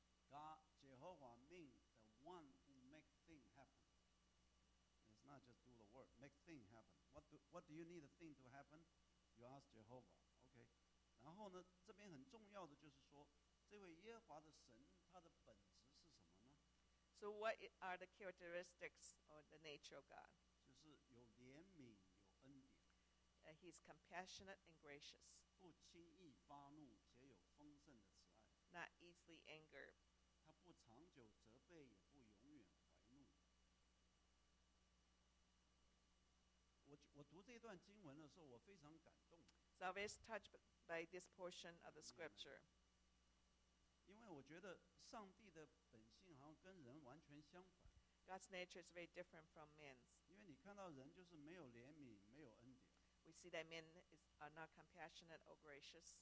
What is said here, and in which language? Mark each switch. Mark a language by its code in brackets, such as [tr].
[en] God, Jehovah means the one who makes things happen. It's not just do the work, make things happen. What do you need a thing to happen? You ask Jehovah, okay. [zh] 然后呢, 这边很重要的就是说, 这位耶和华的神, 他的本质是什么呢? [en] So what are the characteristics or the nature of God? [zh] 就是有怜悯, 有恩典, [en] He's compassionate and gracious. [zh] 不轻易发怒, 且有丰盛的慈爱, [en] not easily angered. [zh] 他不长久责备，也不永远怀怒。我读这一段经文的时候，我非常感动。 [en] So I was touched by this portion of the scripture. [zh] 因为我觉得上帝的本性好像跟人完全相反。 [en] God's nature is very different from man's. [zh] 因为你看到人就是没有怜悯，没有恩典。 [en] We see that men are not compassionate or gracious.